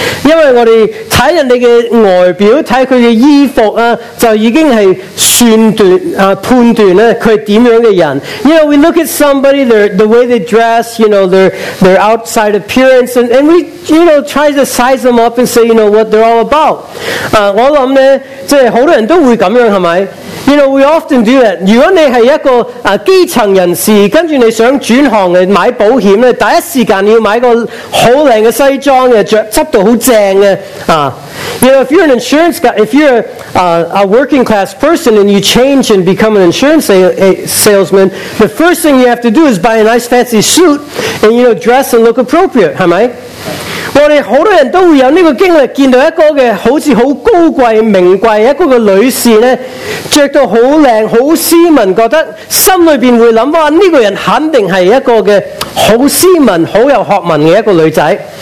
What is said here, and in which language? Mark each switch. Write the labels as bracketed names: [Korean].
[Cantonese] 因为我哋睇人哋嘅外表，睇佢嘅衣服啊，就已经系算断啊，判断咧佢系点样嘅人。 [English] You know, we look at somebody, the way they dress, you know, their outside appearance, and we, you know, try to size them up and say, you know, what they're all about. [Cantonese] 我谂咧，即系好多人都会咁样，系咪？ [English] You know, we often do that. [Cantonese] 如果你是一个基层人士，跟住你想转行买保险，第一时间你要买个好靓嘅西装嘅，着执到好正嘅啊。 [English] You know, if you're an insurance guy, if you're a working class person and you change and become an insurance salesman, the first thing you have to do is buy a nice fancy suit and, you know, dress and look appropriate, [Cantonese] 系咪？我哋好多人都会有呢个经历，见到一个嘅好似好高贵、名贵一个嘅女士咧，着到好靓、好斯文，觉得心里边会谂：哇，呢个人肯定系一个嘅好斯文、好有学问嘅一个女仔。